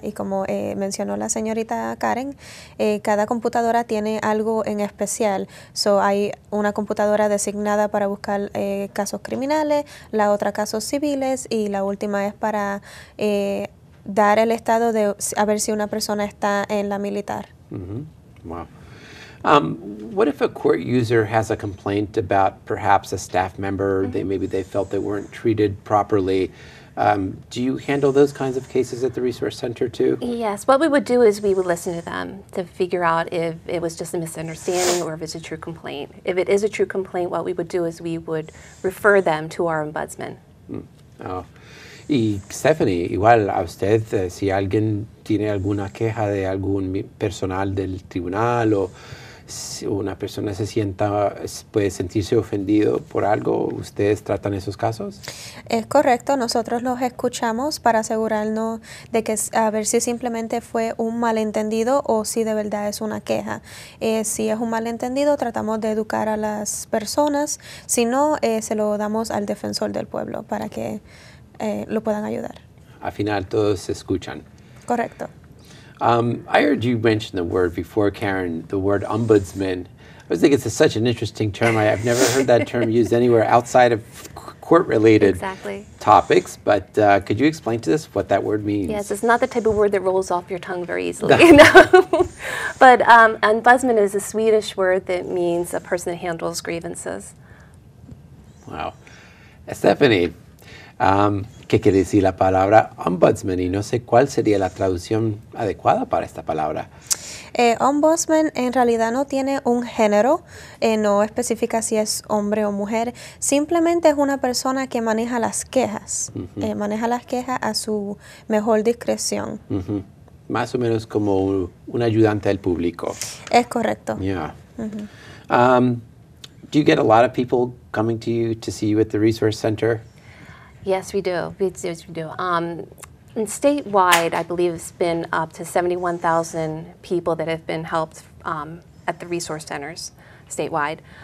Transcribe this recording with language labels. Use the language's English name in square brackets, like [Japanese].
[Spanish] Y como mencionó la señorita Karen, cada computadora tiene algo en especial. So, hay una computadora designada para buscar casos criminales, la otra casos civiles y la última es para dar el estado de a ver si una persona está en la militar. [English] Mm-hmm. Wow. What if a court user has a complaint about perhaps a staff member, they felt they weren't treated properly? Do you handle those kinds of cases at the Resource Center too? Yes, what we would do is we would listen to them to figure out if it was just a misunderstanding or if it's a true complaint. If it is a true complaint, what we would do is we would refer them to our ombudsman. Mm. Oh. [Spanish] Y Stephanie, igual a usted, si alguien tiene alguna queja de algún personal del tribunal o si una persona se sienta, puede sentirse ofendido por algo, ¿ustedes tratan esos casos? Es correcto, nosotros los escuchamos para asegurarnos de que a ver si simplemente fue un malentendido o si de verdad es una queja. Si es un malentendido, tratamos de educar a las personas, si no, se lo damos al defensor del pueblo para que lo puedan ayudar. Al final, todos escuchan. Correcto. [English] I heard you mention the word before, Karen, the word ombudsman. I think it's such an interesting term. I've never heard that term used anywhere outside of court-related topics. But could you explain to us what that word means? Yes, it's not the type of word that rolls off your tongue very easily. No. But ombudsman is a Swedish word that means a person that handles grievances. Wow. [Spanish] Stephanie, ¿qué quiere decir la palabra ombudsman? Y no sé cuál sería la traducción adecuada para esta palabra. Ombudsman en realidad no tiene un género, no especifica si es hombre o mujer. Simplemente es una persona que maneja las quejas, uh-huh. Maneja las quejas a su mejor discreción. Uh-huh. Más o menos como un ayudante del público. Es correcto. [English] Yeah. Uh-huh. Do you get a lot of people coming to you to see you at the Resource Center? Yes, we do. Yes, we do. And statewide, I believe it's been up to 71,000 people that have been helped at the resource centers statewide.